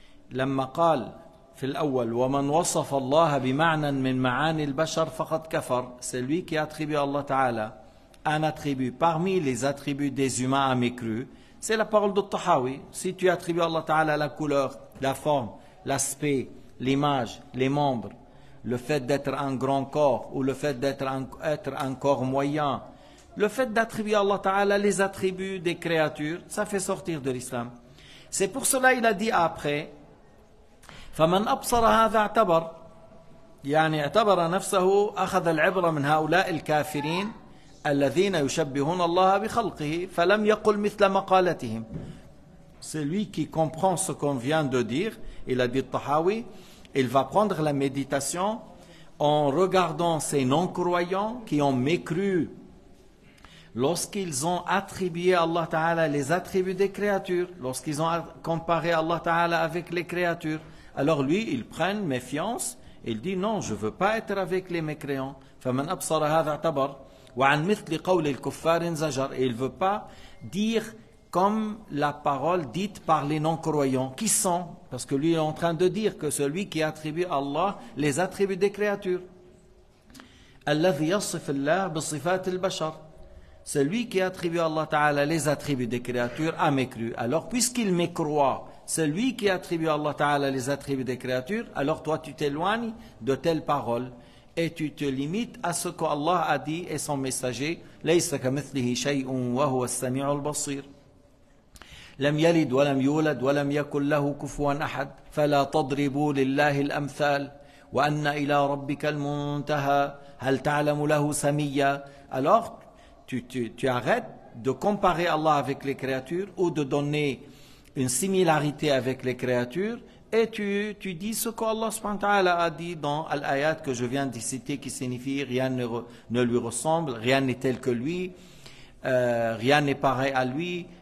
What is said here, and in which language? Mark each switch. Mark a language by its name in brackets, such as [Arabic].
[Arabic] لما قال في الأول ومن وصف الله بمعنى من معاني البشر فقد كفر، [French] celui qui attribue à الله تعالى un attribut parmi les attributs des humains a mécru. C'est la parole de Tahawi. Si tu attribues à Allah Ta'ala la couleur, la forme, l'aspect, l'image, les membres, le fait d'être un grand corps ou le fait d'être un corps moyen, le fait d'attribuer à Allah Ta'ala les attributs des créatures, ça fait sortir de l'islam. C'est pour cela qu'il a dit après, [Arabic] فَمَنْ أَبْصَرَ هَذَا اَعْتَبَرَ يعني اعتبر نفسه أخذ العبرة من هؤلاء الكافرين الذين يشبهون الله بخلقه فلم يقل مثل مقالتهم. [French] Celui qui comprend ce qu'on vient de dire il a dit Tahawi, il va prendre la méditation en regardant ces non-croyants qui ont mécru lorsqu'ils ont attribué à Allah Ta'ala les attributs des créatures, lorsqu'ils ont comparé Allah Ta'ala avec les créatures. Alors lui, il prend méfiance, il dit non, je ne veux pas être avec les mécréants. [Arabic] فَمَنْ أَبْصَرَ هَذَا اَعْتَبَرْ وَعَنْ مِثْلِ قَوْلِ الْكُفَّارِ انْزَجَرْ. [French] Il ne veut pas dire comme la parole dite par les non-croyants. Qui sont? Parce que lui est en train de dire que celui qui attribue à Allah les attributs des créatures. [Arabic] الَّذِي يَصِفِ اللَّهِ بِصِفَاتِ الْبَشَرِ. [French] Celui qui attribue à Allah Ta'ala les attributs des créatures a mécru. Alors puisqu'il mécroit, celui qui attribue à Allah Ta'ala les attributs des créatures, alors toi tu t'éloignes de telle parole et tu te limites à ce qu'Allah a dit et son messager. [Arabic] لَيْسَ كَمِثْلِهِ شَيْءٌ وَهُوَ السَّمِيعُ الْبَصِيرُ. لم يلد ولم يولد ولم يكن له كفوا أحد فلا تضربوا لله الأمثال وأن إلى ربك المنتهى هل تعلم له سميا. [French] Alors tu arrêtes de comparer Allah avec les créatures ou de donner une similarité avec les créatures et tu dis ce qu'Allah subhanahu wa ta'ala a dit dans l'ayat que je viens de citer qui signifie rien ne lui ressemble, rien n'est tel que lui, rien n'est pareil à lui.